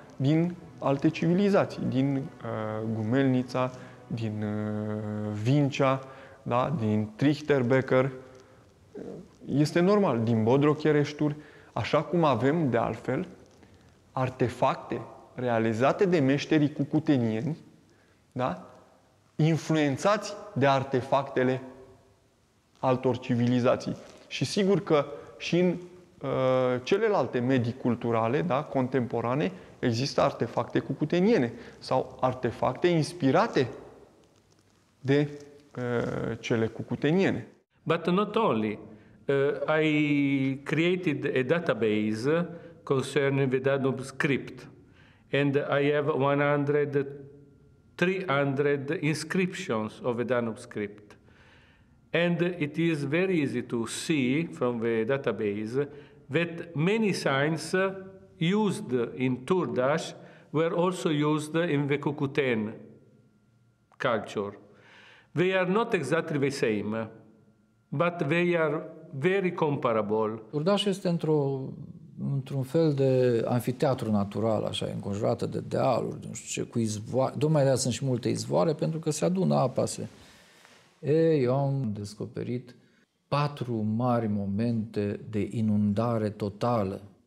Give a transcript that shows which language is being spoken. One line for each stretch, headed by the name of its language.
Romanian: Din alte civilizații, din Gumelnița, din Vincea, da, din Trichterbecker, este normal, din Bodrochereșturi, așa cum avem, de altfel, artefacte realizate de meșterii cucutenieni, da, influențați de artefactele altor civilizații. Și sigur că și în celelalte medii culturale, da, contemporane, există artefacte cucuteniene sau artefacte inspirate de cele cucuteniene.
English: But not only. I created a database concerning the Danube script and I have 100-300 inscriptions of the Danube script. And it is very easy to see from the database that many signs used in Turdaș were also used in the Cucuten culture. They are not exactly the same, but they are very comparable.
Romanian: Turdaș este într-un fel de amfiteatru natural, așa, înconjurată de dealuri, nu știu ce, cu izvoare. Dumai de-aia sunt și multe izvoare, pentru că se adună apa. Eu am descoperit 4 mari momente de inundare totală.